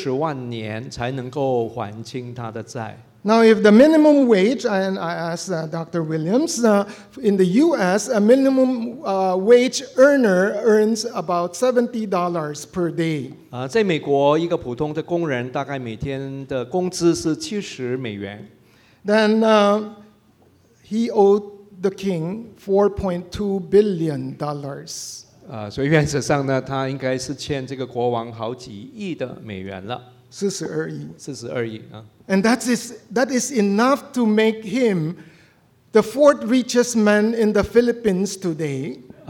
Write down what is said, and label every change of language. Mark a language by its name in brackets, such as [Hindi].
[Chinese] 这个仆人呢就应该要工作20万年才能够还清他的债。 [English] Now if the minimum wage, and I asked Dr. Williams, in the US, a minimum wage earner earns about $70 per day. [Chinese] 在美国一个普通的工人大概每天的工资是70美元。 [English] Then he owed the king $4.2 billion. [Chinese] 所以原则上呢，他应该是欠这个国王好几亿的美元了。42亿。42亿。 [English] And that is enough to make him the fourth richest man in the Philippines today.